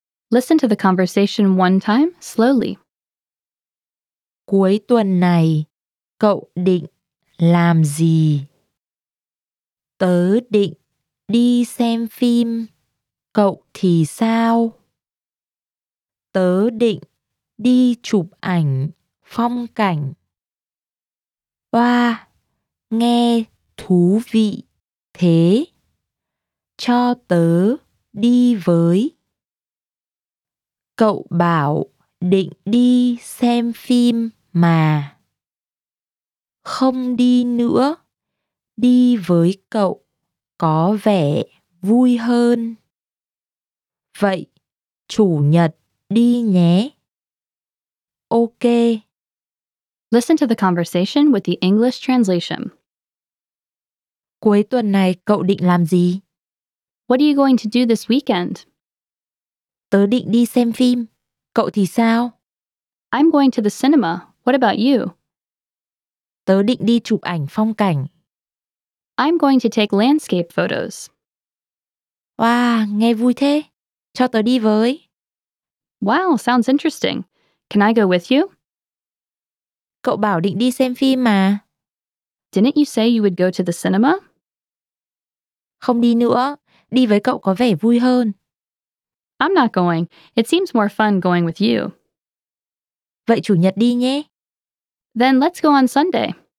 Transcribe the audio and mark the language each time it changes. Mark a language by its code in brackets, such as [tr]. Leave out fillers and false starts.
[en] Listen to the conversation one time, slowly. [vi] Cuối tuần này, cậu định làm gì? Tớ định đi xem phim. Cậu thì sao? Tớ định đi chụp ảnh phong cảnh. Oa, nghe thú vị thế. Cho tớ đi với. Cậu bảo định đi xem phim mà. Không đi nữa. Đi với cậu có vẻ vui hơn. Vậy, chủ nhật đi nhé. Ok. [en] Listen to the conversation with the English translation. [vi] Cuối tuần này cậu định làm gì? [en] What are you going to do this weekend? [vi] Tớ định đi xem phim. Cậu thì sao? [en] I'm going to the cinema. What about you? [vi] Tớ định đi chụp ảnh phong cảnh. [en] I'm going to take landscape photos. [vi] Wow, nghe vui thế. Cho tớ đi với. [en] Wow, sounds interesting. Can I go with you? [vi] Cậu bảo định đi xem phim mà. [en] Didn't you say you would go to the cinema? [vi] Không đi nữa. Đi với cậu có vẻ vui hơn. [en] I'm not going. It seems more fun going with you. [vi] Vậy chủ nhật đi nhé. [en] Then let's go on Sunday.